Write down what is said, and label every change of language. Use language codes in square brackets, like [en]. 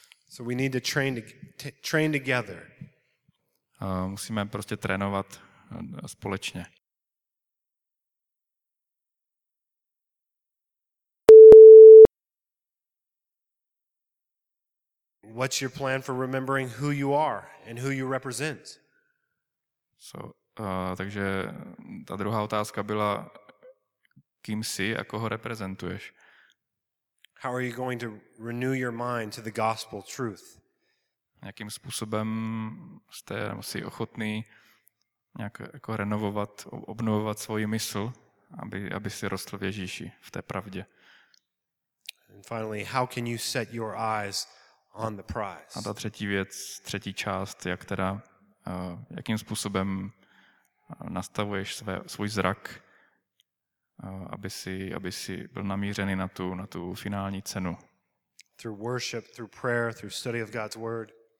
[en] So we need to train together. [cs] Musíme prostě trénovat společně. [en] What's your plan for remembering who you are and who you represent? [cs] Takže ta druhá otázka byla, kým jsi a koho reprezentuješ? [en] How are you going to renew your mind to the gospel truth? [cs] Jakým způsobem jste si ochotný nějak jako renovovat, obnovovat svoji mysl, aby si rostl v Ježíši, v té pravdě? [en] And finally, how can you set your eyes on the prize? [cs] A ta třetí věc, třetí část, jak teda, jakým způsobem nastavuješ svůj zrak, aby si byl namířený na tu finální cenu? [en] Through worship, through prayer, through study of God's word.